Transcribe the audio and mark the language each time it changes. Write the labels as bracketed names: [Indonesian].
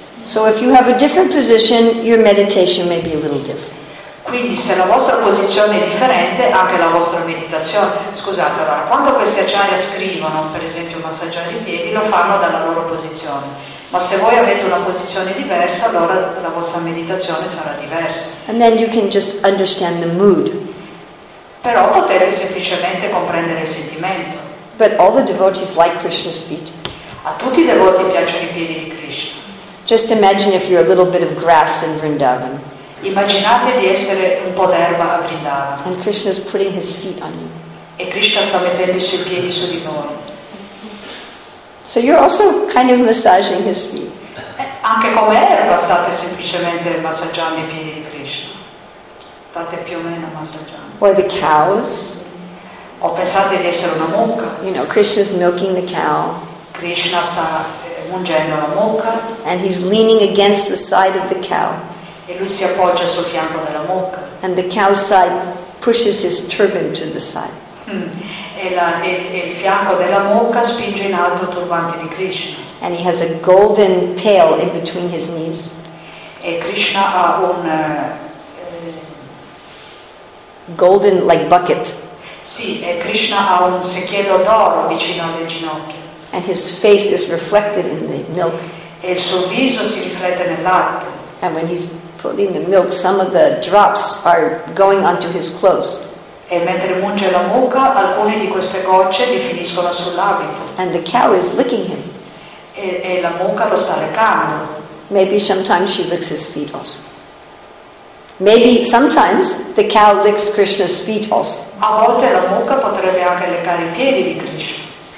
[English] So if you have a different position, your meditation may be a little different. [Italian] Quindi se la vostra posizione è differente, anche la vostra meditazione. Scusate, allora, quando questi acciari scrivono, per esempio massaggiare i piedi, lo fanno dalla loro posizione. Ma se voi avete una posizione diversa, allora la vostra meditazione sarà diversa. [English] And then you can just understand the mood. [Italian] Però potete semplicemente comprendere il sentimento. [English] But all the devotees like Krishna's feet. [Italian] A tutti i devoti piacciono i piedi di Krishna. [English] Just imagine if you're a little bit of grass in Vrindavan. [Italian] Immaginate di essere un po' d'erba a Vrindavan. [English] And Krishna's putting his feet on you. [Italian] E Krishna sta mettendo i suoi piedi su di noi. [English] So you're also kind of massaging his feet. [Italian] Anche come erba state semplicemente massaggiando i piedi di Krishna. State più o meno massaggiando. [English] Or the cows. [Italian] O pensate di essere una mucca. [English] You know, Krishna's milking the cow. [Italian] Krishna sta mungendo la mucca. [English] And he's leaning against the side of the cow. [Italian] E lui si appoggia sul fianco della mucca. [English] And the cow's side pushes his turban to the side. [Italian] E il fianco della mucca spinge in alto il turbante di Krishna. [English] And he has a golden pail in between his knees. [Italian] E Krishna ha un [English] golden like bucket. [Italian] Sì, e Krishna ha un secchiello d'oro vicino alle ginocchia. [English] And his face is reflected in the milk. [Italian] E il suo viso si riflette nel latte. [English] And when he's pulling the milk, some of the drops are going onto his clothes. [Italian] E mentre munge la mucca, alcune di queste gocce gli finiscono sull'abito. [English] And the cow is licking him. [Italian] E la mucca lo sta leccando. [English] Maybe sometimes she licks his feet also. Maybe sometimes the cow licks Krishna's feet also. [Italian] A volte la mucca potrebbe anche leccare i piedi di Krishna.